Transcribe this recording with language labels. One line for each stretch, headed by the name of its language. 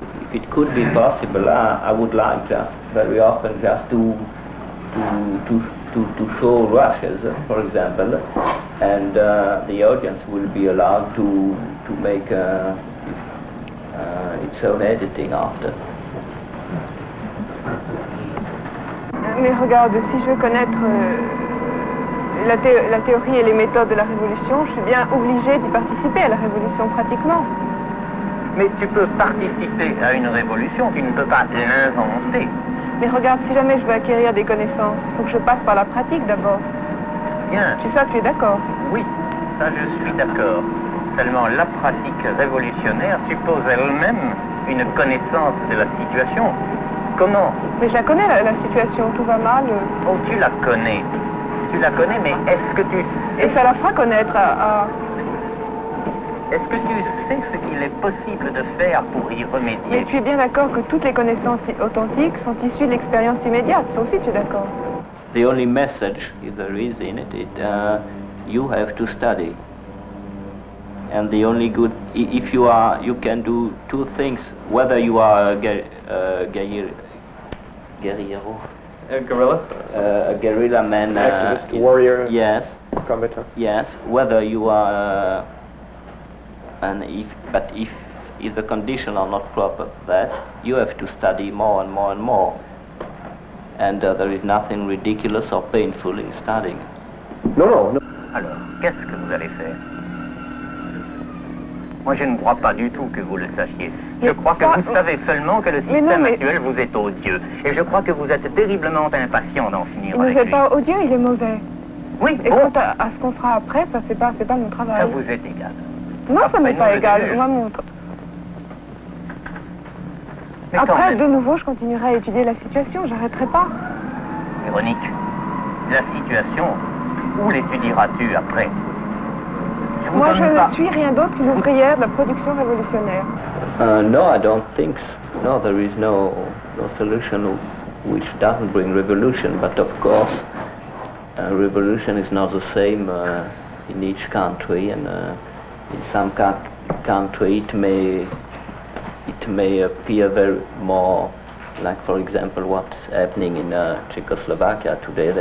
English: If it could be possible, I would like to show rushes, for example, and the audience will be allowed to make its own editing after.
French: Mais regarde, si je veux connaître la théorie et les méthodes de la révolution, je suis bien obligé d'y participer à la révolution pratiquement. Mais tu peux participer à une révolution, tu ne peux pas l'inventer. Mais regarde, si jamais je veux acquérir des connaissances, il faut que je passe par la pratique d'abord. Bien. Tu sais, tu es d'accord? Oui, ça je suis d'accord. Seulement la pratique révolutionnaire suppose elle-même une connaissance de la situation. Comment? Mais je la connais, la situation, tout va mal. Oh, tu la connais. Tu la connais, mais est-ce que tu sais... Et ça la fera connaître à... Est-ce que tu sais ce qu'il est possible de faire pour y remédier? Mais tu es bien d'accord que toutes les connaissances authentiques sont issues de l'expérience immédiate, ça aussi tu es d'accord?
English: The only message, if there is in it, you have to study. And the only good, if you are, you can do two things, whether you are a guerrillero. A guerrilla man. Activist, warrior. Yes. Combatant. Yes, whether you are... But if the conditions are not proper for that, you have to study more and more and more. And there is nothing ridiculous or painful in studying. No.
French: Alors, qu'est-ce que vous allez faire? Moi, je ne crois pas du tout que vous le sachiez. Je crois que vous savez seulement que le système actuel vous est odieux. Et je crois que vous êtes terriblement impatient d'en finir avec lui. Il n'est pas odieux, il est mauvais. Oui, et quant à ce qu'on fera après, ça, c'est pas mon travail. Ça vous est égal. Non, après, ça n'est pas égal. Moi, mon... Après, de nouveau, je continuerai à étudier la situation. J'arrêterai pas. Véronique, la situation, où l'étudieras-tu après? Moi, je ne suis rien d'autre qu'une ouvrière de la production révolutionnaire.
English: No, I don't think so. No, there is no solution which doesn't bring revolution. But of course, revolution is not the same in each country. And in some country, it may appear very more like, for example, what's happening in Czechoslovakia today.